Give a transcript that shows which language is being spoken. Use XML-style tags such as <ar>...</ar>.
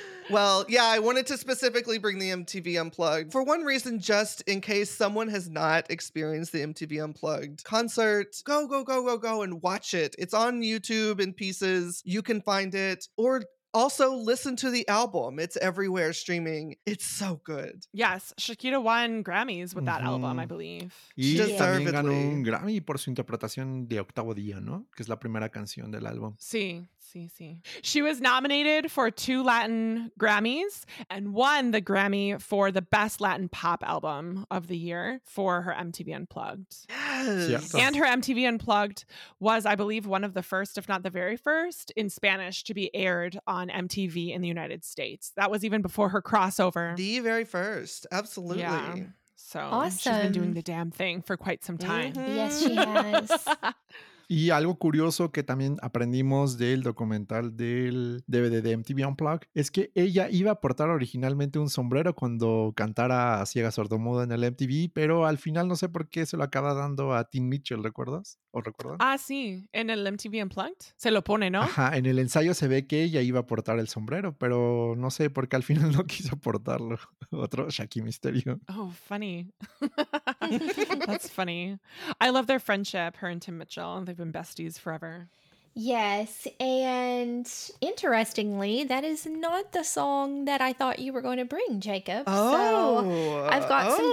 <en>Well, yeah, I wanted to specifically bring the MTV Unplugged for one reason, just in case someone has not experienced the MTV Unplugged concert. Go and watch it. It's on YouTube in pieces. You can find it. Or also listen to the album. It's everywhere streaming. It's so good. Yes, Shakira won Grammys with that album, I believe.</en> <es>Y</es> <en>she deservedly</en> <es>ganó un Grammy por su interpretación de Octavo Día, ¿no? Que es la primera canción del álbum. Sí.</es> <en>She was nominated for 2 Latin Grammys and won the Grammy for the best Latin pop album of the year for her MTV Unplugged. Yes. Yeah. And her MTV Unplugged was, I believe, one of the first, if not the very first, in Spanish to be aired on MTV in the United States. That was even before her crossover. The very first. Absolutely. Yeah. So awesome. She's been doing the damn thing for quite some time. Mm-hmm. Yes, she has.</en> <es>Y algo curioso que también aprendimos del documental del DVD de MTV Unplugged es que ella iba a portar originalmente un sombrero cuando cantara Ciega Sordomuda en el MTV, pero al final no sé por qué se lo acaba dando a Tim Mitchell, ¿recuerdas? ¿O recuerdan? Ah, sí, en el MTV Unplugged se lo pone, ¿no? Ajá, en el ensayo se ve que ella iba a portar el sombrero, pero no sé por qué al final no quiso portarlo. Otro Shaki misterio.</es> <en>Oh, funny. That's funny. I love their friendship, her and Tim Mitchell. They've been besties forever. Yes, and interestingly, that is not the song that I thought you were going to bring, Jacob. I've got some</en>